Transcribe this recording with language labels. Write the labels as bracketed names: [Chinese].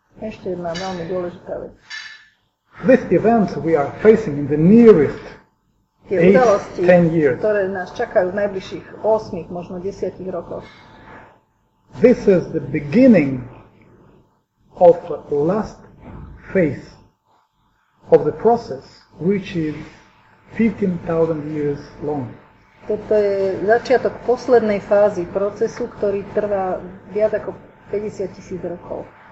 [Slovak] Ešte jedna veľmi dôležitá vec. [English] This event we are facing in the nearest 8-10 years. [Slovak] Ktoré nás čakajú v najbližších 8, možno 10 rokoch. [English] This is the beginning of the last phase of the process which is 15,000 years long. [Slovak] Toto je začiatok poslednej fázy procesu, ktorý trvá viac ako 50 tisíc rokov.